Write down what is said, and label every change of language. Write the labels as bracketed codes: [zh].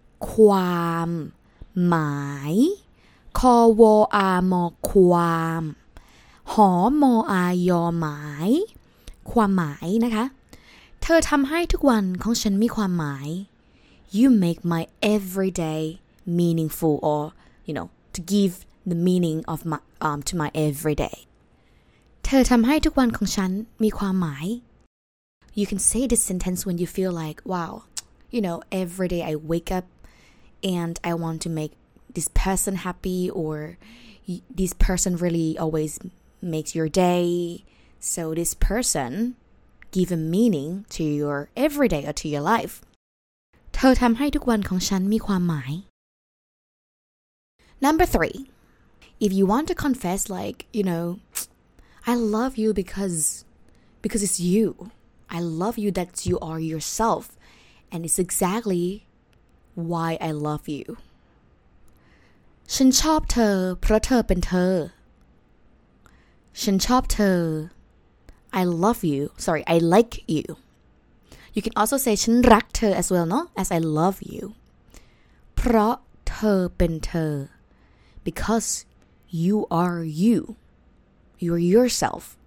[th] ความหมายคอวออาร์มอความหอมออายอหมายความหมายนะคะเธอทำให้ทุกวันของฉันมีความหมาย [en] You make my everyday meaningful orYou know, to give the meaning of my, to my everyday. [th] เธอทำให้ทุกวันของฉันมีความหมาย [en] You can say this sentence when you feel like, wow, you know, every day I wake up and I want to make this person happy or this person really always makes your day. So this person give a meaning to your everyday or to your life. [th] เธอทำให้ทุกวันของฉันมีความหมาย [en] Number three, if you want to confess, like, you know, I love you because it's you. I love you that you are yourself, and it's exactly why I love you. [th] ฉันชอบเธอเพราะเธอเป็นเธอฉันชอบเธอ [en] I love you sorry I like youYou can also say [th] ฉันรักเธอ [en] as well no as I love you [th] เพราะเธอเป็นเธอ [en] because you are you you're yourself